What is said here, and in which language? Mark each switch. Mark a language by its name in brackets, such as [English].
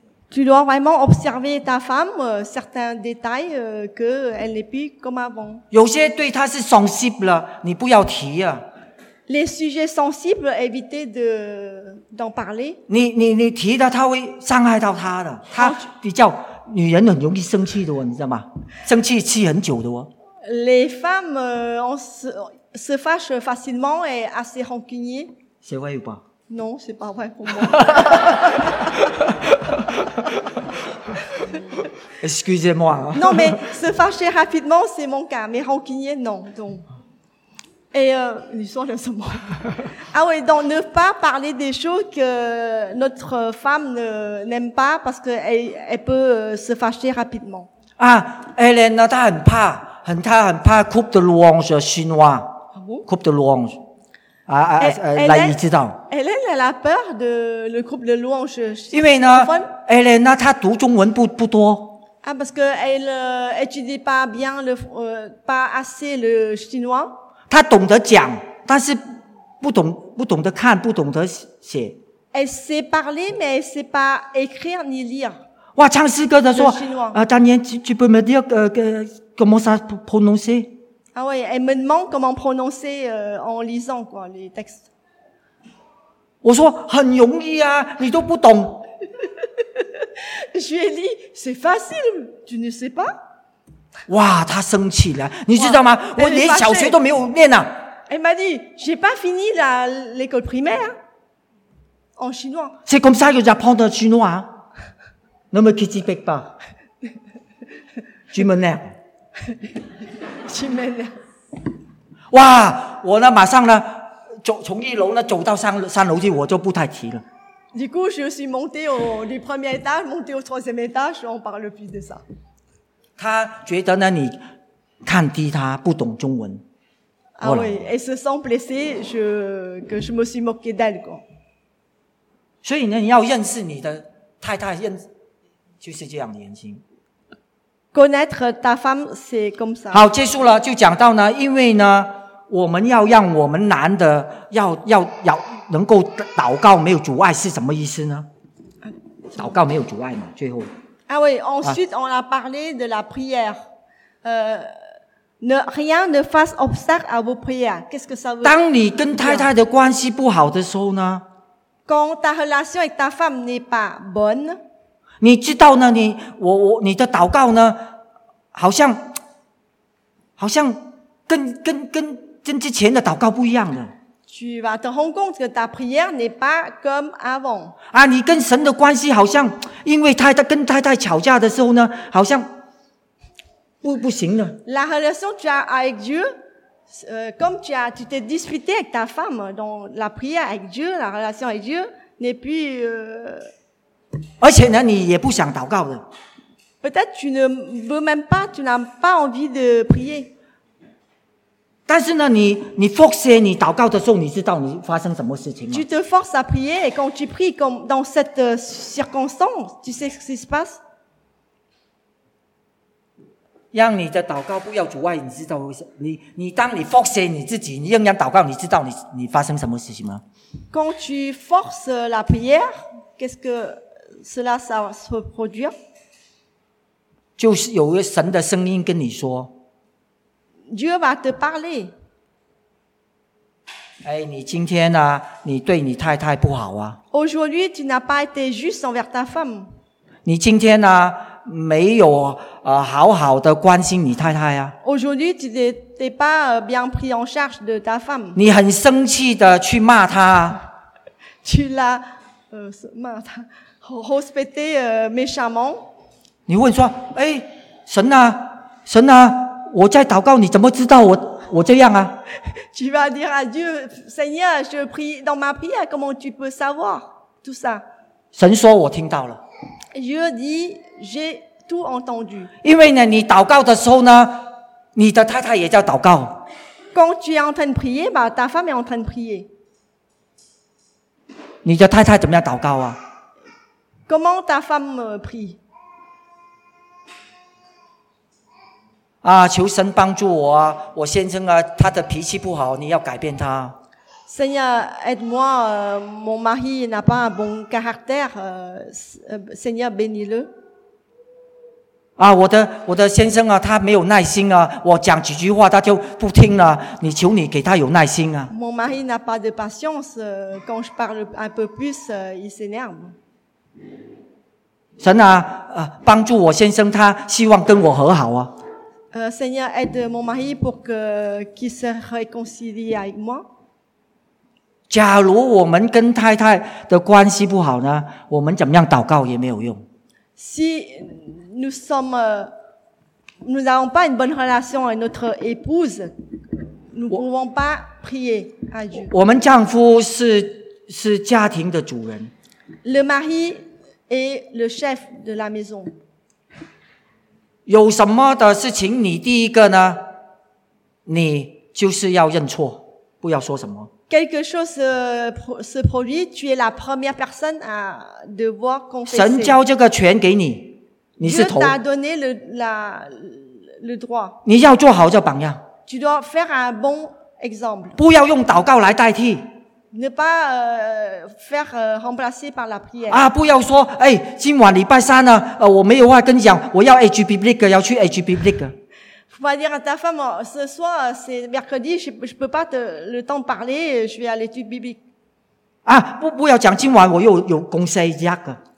[French] Tu dois vraiment observer ta femme, certains détails, qu'elle n'est plus comme avant. [Chinese] 有些对她是 sensible, 你不要提啊。 [French] Les sujets sensibles, évitez d'en parler. [Chinese] 你提的她会伤害到她的。她比较女人很容易生气的哦，你知道吗？生气气很久的哦。 [French] Les femmes, se fâchent facilement et assez rancuniers. C'est vrai ou pas? Non, c'est pas vrai pour moi. Excusez-moi. Non, mais se fâcher rapidement, c'est mon cas. Mais rancunier, non. Donc. Et l'histoire de ce mot. Ah oui, donc ne pas parler des choses que notre femme n'aime pas parce qu'elle peut se fâcher rapidement. Ah, Hélène, elle est peur. Elle est peur coupe de louange chinois. Coupe de louange. [Chinese] 来你知道 [French] Hélène elle a peur de le groupe de louange. [Chinese] 因为呢 Hélène 她读中文不多、 [French] ah, parce qu'elle étudie pas bien pas assez le chinois. [Chinese] 她懂得讲，但是不懂得看，不懂得写。 [French] Elle sait parler mais elle sait pas écrire ni lire. [Chinese] 哇，唱诗歌的说 [French] Daniel, tu peux me dire comment ça prononcer Ah oui, elle me demande comment prononcer en lisant quoi, les textes. [Chinese] 我说很容易啊，你都不懂。 [French] Je lui ai dit, c'est facile, tu ne sais pas. [Chinese] 哇，他生气了，你知道吗？我连小学都没有念呢。 [French] Elle m'a dit, j'ai pas fini l'école primaire. en chinois. C'est comme ça que j'apprends le chinois. Ne me critique pas. Tu m'énerves. Tu m'énerves. [Chinese] 哇，我呢马上呢，从一楼呢走到三楼去，我就不太提了。 [French] Du coup, je suis monté au du premier étage, monté au troisième étage, on parle plus de ça. [Chinese] 他觉得呢，你看低他，不懂中文。 [French] Ah oui, elle se sent blessée, que je me suis moqué d'elle, quoi. [Chinese] 所以呢，你要认识你的太太，认就是这样的言行。 [French] Connaître ta femme, c'est comme ça. [Chinese] 好，结束了，就讲到呢，因为呢，我们要让我们男的要能够祷告没有阻碍，是什么意思呢？祷告没有阻碍嘛，最后。 [French] Ah oui, ensuite on a parlé de la prière. Rien ne fasse obstacle à vos prières. Qu'est-ce que ça veut dire? [Chinese] 当你跟太太的关系不好的时候呢 [French] ？Quand ta relation avec ta femme n'est pas bonne。 [Chinese] 你知道呢？你的祷告呢？好像跟之前的祷告不一样的。 [French] Tu vas te rendre compte que ta prière n'est pas comme avant。 [Chinese] 啊，你跟神的关系好像，因为太太吵架的时候呢，好像不行了。 [French] La relation tu as avec Dieu, comme tu t'es disputé avec ta femme dans la prière avec Dieu, la relation avec Dieu n'est plus。 [Chinese] 而且呢，你也不想祷告的。 [French] Peut-être tu ne veux même pas, tu n'as pas envie de prier。 [Chinese] 但是呢，你 forcer 你祷告的时候，你知道你发生什么事情吗 [French] ？Tu te forces à prier et quand tu pries comme dans cette circonstance, tu sais ce qui se passe？ [Chinese] 让你的祷告不要阻碍，你知道你当你 forcer 你自己，你仍然祷告，你知道你发生什么事情吗 [French] ？Quand tu forces la prière, qu'est-ce que cela ça se produire？ [Chinese] 就是有个神的声音跟你说 [French] ，Dieu va te parler。 [Chinese] 哎，你今天呢、啊？你对你太太不好啊 [French] ？Aujourd'hui, tu n'as pas été juste envers ta femme。 [Chinese] 你今天呢、啊？没有好好的关心你太太啊 [French] ？Aujourd'hui, tu n'es pas bien pris en charge de ta femme。 [Chinese] 你很生气的去骂她、啊。 [French] Tu l'as [Chinese] 骂她。 [French] Hospité, méchamment. [Chinese] 你问说，哎，神啊，神啊，我在祷告，你怎么知道我这样啊 [French] ？Tu vas dire à Dieu, Seigneur, je prie dans ma prière. Comment tu peux savoir tout ça？ [Chinese] 神说我听到了。 [French] Dieu dit, j'ai tout entendu. [Chinese] 因为呢，你祷告的时候呢，你的太太也在祷告。 [French] Quand tu es en train de prier, bah, ta femme est en train de prier. [Chinese] 你的太太怎么样祷告啊？ [French] Comment ta femme prie? [Chinese] 啊，求神帮助我啊！我先生啊，他的脾气不好，你要改变他。 [French] Seigneur, aide-moi, mon mari n'a pas un bon caractère. Seigneur, bénis-le. [Chinese] 啊，我的先生啊，他没有耐心啊！我讲几句话，他就不听了。你求你给他有耐心啊！ [French] Mon mari n'a pas de patience. Quand je parle un peu plus, il s'énerve. [Chinese] 神啊，帮助我先生，他希望跟我和好啊。 [French] Seigneur, aide mon mari pour qu'il se réconcilie avec moi. [Chinese] 假如我们跟太太的关系不好呢，我们怎么样祷告也没有用。 [French] Si nous n'avons pas une bonne relation avec notre épouse, nous ne pouvons pas prier à Dieu. [Chinese] 我们丈夫是家庭的主人。 [French] Le mari est le chef de la maison. [Chinese] 有什么的事情，你第一个呢？你就是要认错，不要说什么。 [French] Quelque chose se produit, tu es la première personne à devoir confesser. [Chinese] 神交这个权给你，你是头。 [French] Dieu t'a donné le droit. [Chinese] 你要做好这榜样。 [French] Tu dois faire un bon exemple. [Chinese] 不要用祷告来代替。 [French] Ne pas faire remplacer par la prière. [Chinese] 啊，不要说，哎，今晚礼拜三呢，我没有话跟你讲，我要 H biblique， 要去 H biblique。 [French] Faut pas dire à ta femme, ce soir c'est mercredi, je peux pas le temps parler, je vais à l'étude biblique. [Chinese] 啊，不要讲，今晚我又有 [French] conseil diacre。